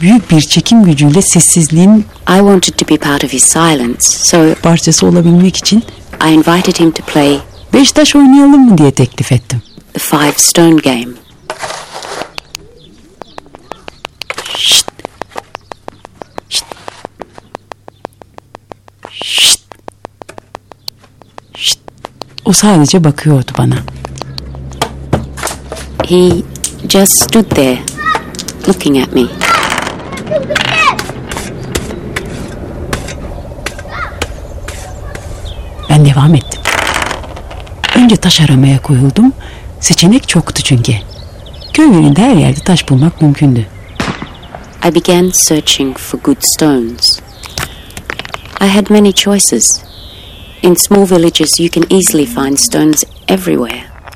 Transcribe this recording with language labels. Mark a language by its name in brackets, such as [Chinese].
[Turkish] Bir çekim gücüyle sessizliğin [English] I wanted to be part of his silence, so [Turkish] parçası olabilmek için [English] I invited him to play [Turkish] beş taş oynayalım mı diye teklif ettim. [English] The five stone game. Şşt. Şşt. [Turkish] O sadece bakıyordu bana. [English] He just stood there looking at me. [Turkish] Ben devam ettim. Önce taş aramaya koyuldum. Seçenek çoktu çünkü. Köylerinde her yerde taş bulmak mümkündü. [English] I began searching for good stones. I had many choices. In small villages you can easily find stones everywhere.